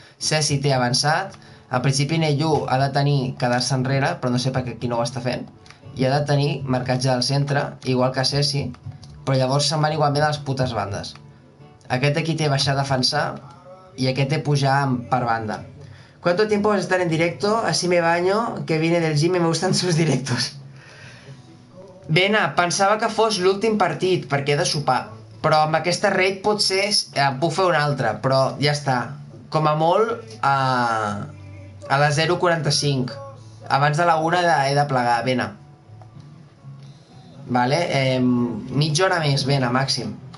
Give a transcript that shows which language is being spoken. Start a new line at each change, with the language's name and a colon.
Catalan: Ceci té avançat. Al principi, Neyu ha de tenir quedar-se enrere, però no sé per què aquí no ho està fent. I ha de tenir marcatge al centre, igual que Ceci, però llavors se'n van igualment a les putes bandes. Aquest aquí té baixar a defensar i aquest té pujar per banda.
Spanish: ¿Cuánto tiempo vas a estar en directo? Así me baño, que vine del gym y me gustan sus directos.
Catalan: Vena, pensava que fos l'últim partit, perquè he de sopar. Però amb aquesta raid potser puc fer una altra, però ja està. Com a molt, a les 0:45. Abans de la 1 he de plegar, vena. Vale, mitja hora més, vena, màxim.